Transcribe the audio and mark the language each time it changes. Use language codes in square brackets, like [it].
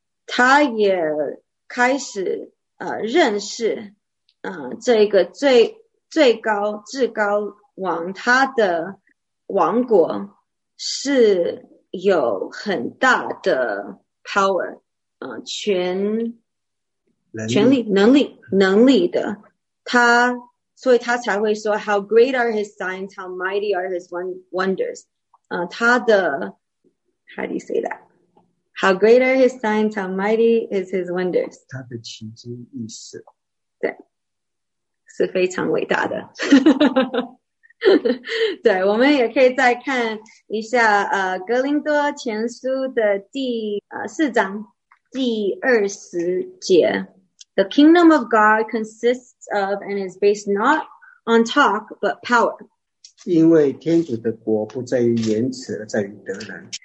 [zh] 他也开始认识这个最高至高王，他的王国是有很大的 power 权力能力的。他所以他才会说 [en] how great are his signs, how mighty are his wonders, [zh] 他的 [en] how do you say that, how great are his signs, how mighty is his wonders, [zh] 他的奇迹异事对是非常伟大的。对，我们也可以再看一下哥林多前书的第4章第20节。 [en] The kingdom of God consists of and is based not on talk but power. [zh] 因为天主的国不在于言辞而在于德能。